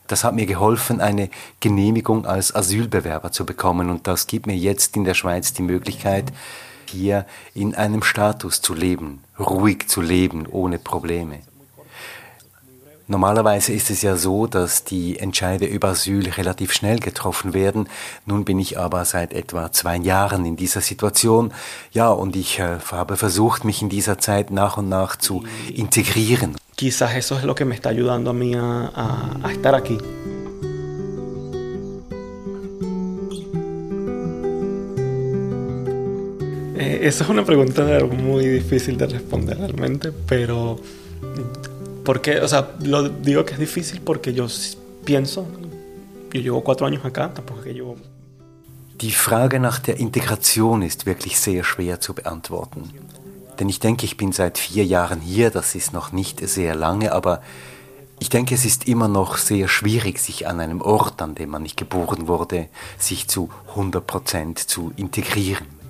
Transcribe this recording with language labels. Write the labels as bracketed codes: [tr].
[de] Das hat mir geholfen, eine Genehmigung als Asylbewerber zu bekommen, und das gibt mir jetzt in der Schweiz die Möglichkeit, hier in einem Status zu leben, ruhig zu leben, ohne Probleme. Normalerweise ist es ja so, dass die Entscheide über Asyl relativ schnell getroffen werden. Nun bin ich aber seit etwa 2 Jahren in dieser Situation. Ja, und ich habe versucht, mich in dieser Zeit nach und nach zu integrieren. [es] Quizás eso es lo que me está ayudando a mí a estar aquí. Esa es una pregunta muy difícil de responder realmente, pero... Porque, o sea, lo digo que es difícil porque yo pienso, yo llevo 4 años acá, tampoco que llevo... [de] Die Frage nach der Integration ist wirklich sehr schwer zu beantworten. Denn ich denke, ich bin seit 4 Jahren hier, das ist noch nicht sehr lange, aber ich denke, es ist immer noch sehr schwierig, sich an einem Ort, an dem man nicht geboren wurde, sich zu 100% zu integrieren.